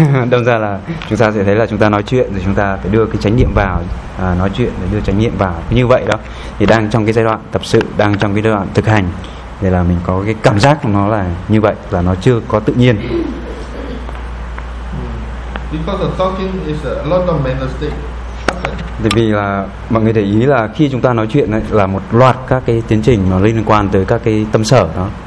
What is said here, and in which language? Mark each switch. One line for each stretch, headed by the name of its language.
Vietnamese: Đâm ra là chúng ta sẽ thấy là chúng ta nói chuyện rồi chúng ta phải đưa cái chánh niệm vào, nói chuyện rồi đưa chánh niệm vào như vậy đó. Thì đang trong cái giai đoạn tập sự, đang trong cái giai đoạn thực hành thì là mình có cái cảm giác của nó là như vậy, là nó chưa có tự nhiên.
English: Because of talking is a lot of mental state.
Vietnamese: Tại vì là mọi người để ý là khi chúng ta nói chuyện ấy, là một loạt các cái tiến trình nó liên quan tới các cái tâm sở đó.